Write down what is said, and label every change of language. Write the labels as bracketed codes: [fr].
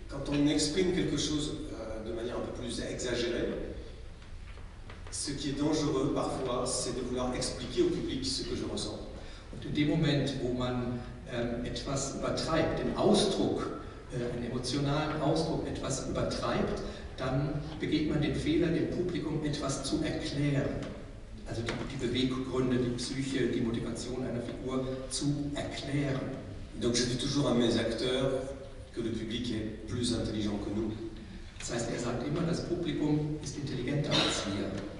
[fr] on exprime quelque chose de manière un peu plus exagérée, ce qui est dangereux parfois, c'est de vouloir expliquer au public ce que je ressens. [de] Und in dem Moment, wo man etwas übertreibt, den Ausdruck, einen emotionalen Ausdruck etwas übertreibt, dann begeht man den Fehler, dem Publikum etwas zu erklären. Also die Beweggründe, die Psyche, die Motivation einer Figur zu erklären. [fr] Donc je dis toujours à mes acteurs que le public est plus intelligent que nous. [de] Das heißt, er sagt immer, das Publikum ist intelligenter als wir.